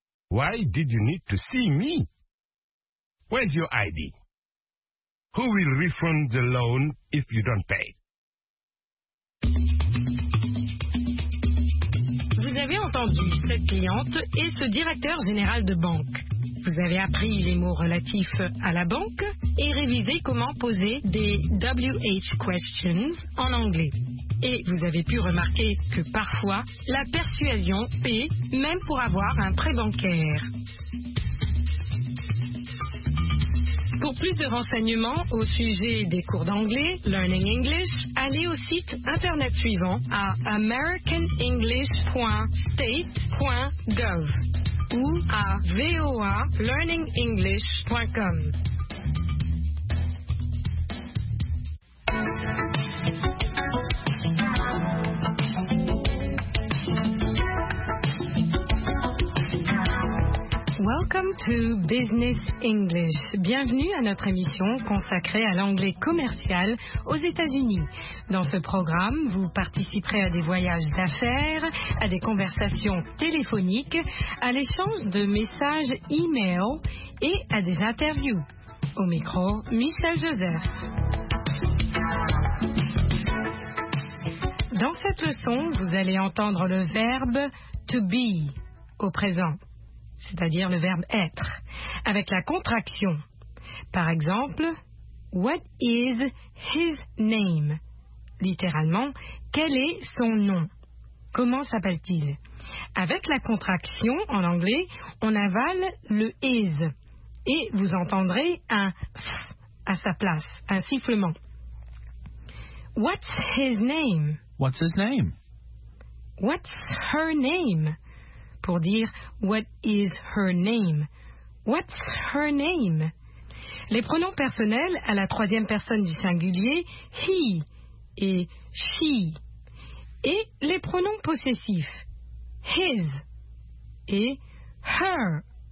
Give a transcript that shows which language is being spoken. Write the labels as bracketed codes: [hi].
[en] Why did you need to see me? Where's your ID? Who will refund the loan if you don't pay? [fr] Vous avez entendu cette cliente et ce directeur général de banque. Vous avez appris les mots relatifs à la banque et révisé comment poser des WH questions en anglais. Et vous avez pu remarquer que parfois, la persuasion paie même pour avoir un prêt bancaire. Pour plus de renseignements au sujet des cours d'anglais, Learning English, allez au site internet suivant à americanenglish.state.gov ou à voalearningenglish.com. [en] Welcome to Business English. [fr] Bienvenue à notre émission consacrée à l'anglais commercial aux États-Unis. Dans ce programme, vous participerez à des voyages d'affaires, à des conversations téléphoniques, à l'échange de messages e-mail et à des interviews. Au micro, Michel Joseph. Dans cette leçon, vous allez entendre le verbe to be au présent. C'est-à-dire le verbe être, avec la contraction. Par exemple, [en] what is his name? [fr] Littéralement, quel est son nom? Comment s'appelle-t-il? Avec la contraction, en anglais, on avale le is et vous entendrez un f à sa place, un sifflement. [en] What's his name? What's his name? What's her name? [fr] Pour dire [en] what is her name? What's her name? [fr] Les pronoms personnels à la troisième personne du singulier, he et she. Et les pronoms possessifs, his et her.